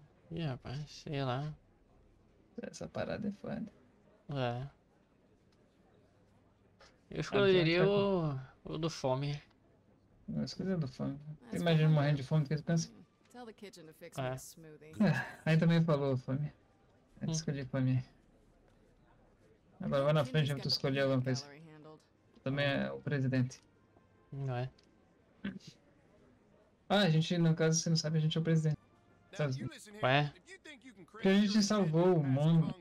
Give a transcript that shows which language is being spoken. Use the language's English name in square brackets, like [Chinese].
[Portuguese] Ih, rapaz, sei lá. Essa parada é foda. É. Eu escolheria o do fome. Eu escolheria o do fome. Imagina morrendo de fome porque tem câncer. [English] Tell the kitchen to fix my smoothie. [Portuguese] Aí também falou fome. Eu escolhi fome. Agora vai na frente e tu escolher alguma coisa. Também é o presidente. Não é? Ah, a gente, no caso, você não sabe, a gente é o presidente. Ué? Porque a gente salvou o mundo.